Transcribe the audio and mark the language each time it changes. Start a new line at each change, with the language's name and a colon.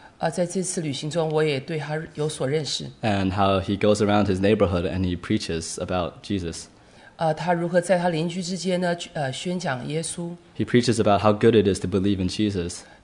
Chinese: 在这次旅行中，我也对他有所认识。
English: And how he goes around his neighborhood and he preaches about Jesus.
Chinese: 他如何在他邻居之间呢？宣讲耶稣。
English: He preaches about how good it is to believe in Jesus.